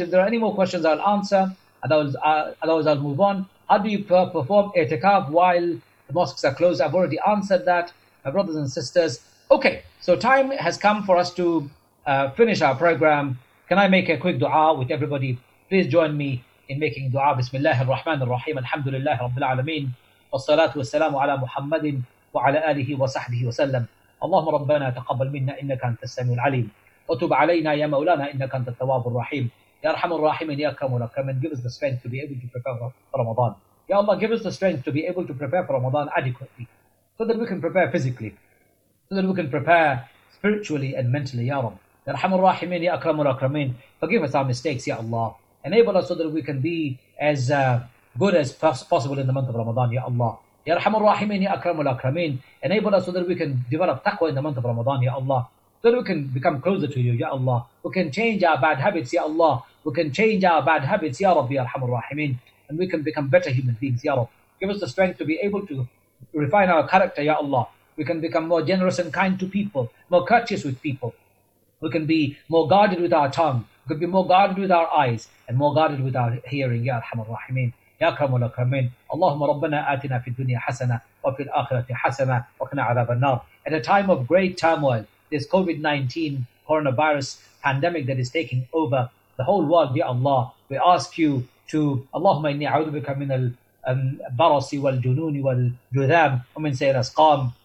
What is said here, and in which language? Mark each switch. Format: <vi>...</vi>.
<en>If there are any more questions, I'll answer. Otherwise, I'll move on. How do you perform i'tikaf while the mosques are closed? I've already answered that, my brothers and sisters. Okay, so time has come for us to finish our program. Can I make a quick dua with everybody? Please join me in making dua. Bismillah ar-Rahman ar-Rahim. Alhamdulillah Rabbil Alameen.</en> <ar>والصلاة والسلام على محمد وعلى آله وصحبه وسلم. اللهم ربنا تقبل منا إنك أنت السميع العليم. وتب علينا يا مولانا إنك أنت التواب الرحيم. يا أرحم الراحمين يا أكرم الأكرمين.</ar> <en>Give us the strength to be able to prepare for Ramadan.</en> <ar>يا الله,</ar> <en>give us the strength to be able to prepare for Ramadan adequately, so that we can prepare physically, so that we can prepare spiritually and mentally.</en> <ar>يا رب. يا أرحم الراحمين يا أكرم الأكرمين.</ar> <en>Forgive us our mistakes, يا الله. Enable us so that we can be as good as possible in the month of Ramadan, Ya Allah. Ya Rahman Rahimin, Ya Akramul Akramin. Enable us so that we can develop taqwa in the month of Ramadan, Ya Allah. So that we can become closer to you, Ya Allah. We can change our bad habits, Ya Allah. We can change our bad habits, Ya Rabbi, Ya Rahman Rahimin. And we can become better human beings, Ya Rabbi. Give us the strength to be able to refine our character, Ya Allah. We can become more generous and kind to people, more courteous with people. We can be more guarded with our tongue. We can be more guarded with our eyes, and more guarded with our hearing, Ya Rahman Rahimin.</en> <ar>يا كرم الأكرمين اللهم ربنا آتنا في الدنيا حسنة وفي الآخرة حسنة وقنا عذاب النار.</ar> <en>At a time of great turmoil, this COVID-19 coronavirus pandemic that is taking over the whole world, Ya Allah, we ask you to</en> <ar>اللهم إني أعوذ بك من البرص والجنون والجذام ومن سيل أسقام.</ar>